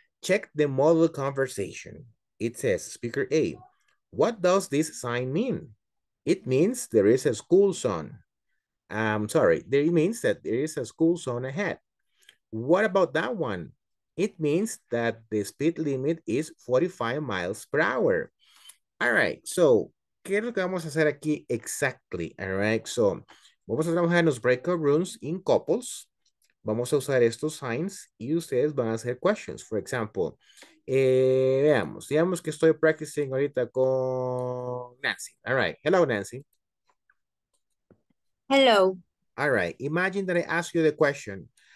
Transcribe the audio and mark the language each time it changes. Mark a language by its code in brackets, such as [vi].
[en] Check the model conversation. It says, speaker A, what does this sign mean? It means there is a school zone. It means that there is a school zone ahead. What about that one? It means that the speed limit is 45 miles per hour. All right, so, [es] ¿qué es lo que vamos a hacer aquí exactly? [en] All right, so, [es] vamos a trabajar en los breakout rooms [en] in couples. [es] Vamos a usar estos signs y ustedes van a hacer questions. [en] For example, [es] digamos que estoy practicing ahorita con Nancy. [en] All right, hello, Nancy. Hello. All right, imagine that I ask you the question.